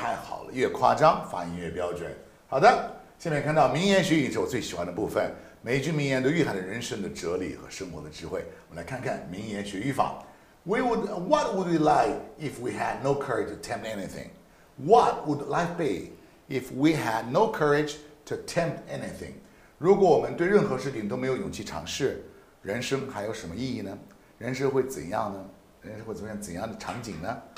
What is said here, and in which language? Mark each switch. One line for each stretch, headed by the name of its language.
Chinese: 太好了，越夸张，发音越标准。好的，下面看到名言学语是我最喜欢的部分，每一句名言都蕴含着人生的哲理和生活的智慧。我们来看看名言学语法。
English: What would we like if we had no courage to attempt anything? What would life be if we had no courage to attempt anything?
Chinese: 如果我们对任何事情都没有勇气尝试，人生还有什么意义呢？人生会怎样呢？人生会出现怎样的场景呢？